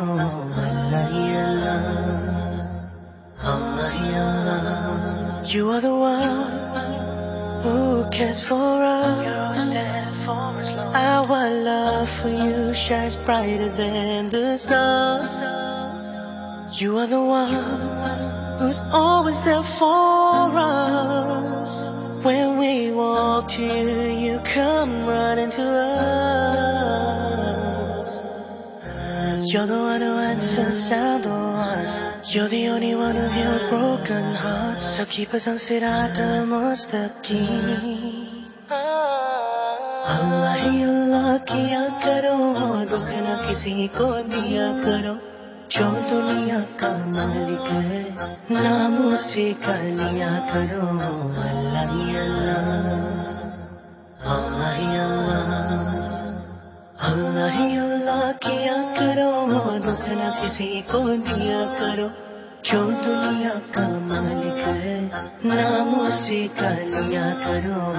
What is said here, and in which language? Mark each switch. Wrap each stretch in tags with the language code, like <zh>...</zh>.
<hi>Allah he Allah, Allah he Allah,</hi> <en>You are the one who cares for us, you stand for us lord, our love for you shines brighter than the stars, you are the one Who's always there for us. When we walk to you, you come running to us. You're the one who answers our doors. You're the only one who heals broken hearts. So keep us on sirat al-mustaqim.</en> <hi>Allah hi Allah kiya karo, dukh na kisi ko diya karo, जो दुनिया का मालिक है नाम उसे का लिया करो। अल्लाह ही अल्लाह, अल्लाह ही अल्लाह, अल्लाह ही अल्लाह किया करो, दुख ना किसी को दिया करो, जो दुनिया का मालिक है नाम उसे का लिया करो।</hi>